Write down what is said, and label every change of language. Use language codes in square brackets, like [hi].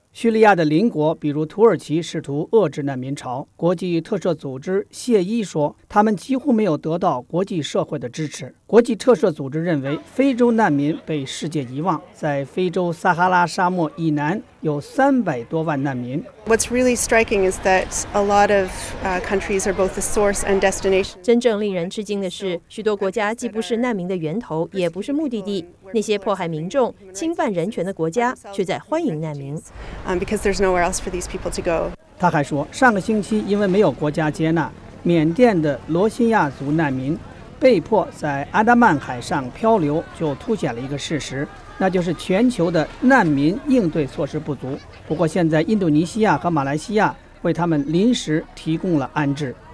[zh] 叙利亚的邻国比如土耳其试图遏制难民潮，国际特赦组织谢伊说，他们几乎没有得到国际社会的支持。国际特赦组织认为，非洲难民被世界遗忘，在非洲撒哈拉沙漠以南有300多万难民。 [en] What's really striking is that a lot of countries are both the source and destination. [zh] 真正令人吃惊的是，许多国家既不是难民的源头，也不是目的地。那些迫害民众、侵犯人权的国家却在欢迎难民。 [en] Because there's nowhere else for these people to go. [zh] 他还说，上个星期因为没有国家接纳，缅甸的罗兴亚族难民被迫在安达曼海上漂流，就凸显了一个事实，那就是全球的难民应对措施不足。不过现在印度尼西亚和马来西亚为他们临时提供了安置。